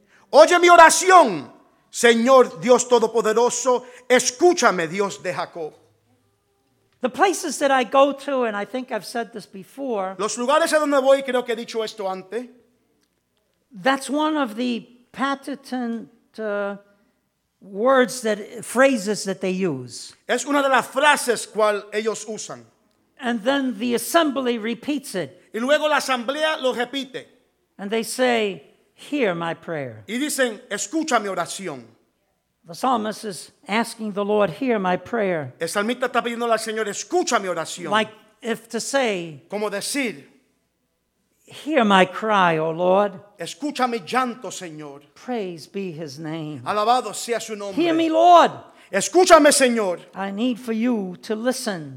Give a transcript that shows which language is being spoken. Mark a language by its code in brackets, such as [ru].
[es] Oye mi oración, Señor Dios Todopoderoso, escúchame, Dios de Jacob. [en] The places that I go to, and I think I've said this before. [es] Los lugares a donde voy, creo que he dicho esto antes. [en] That's one of the patented phrases that they use. [es] Es una de las frases cual ellos usan. [en] And then the assembly repeats it. [es] Y luego la asamblea lo repite. [en] And they say, hear my prayer. [es] Y dicen, escucha mi oración. [en] The psalmist is asking the Lord, hear my prayer. [es] El salmista está pidiéndole al Señor, escucha mi oración. [en] Like if to say, [es] como decir, [en] hear my cry, O Lord. [es] Escucha mi llanto, Señor. [en] Praise be his name. [es] Alabado sea su nombre. [en] Hear me, Lord. [es] Escúchame, Señor. [en] I need for you to listen.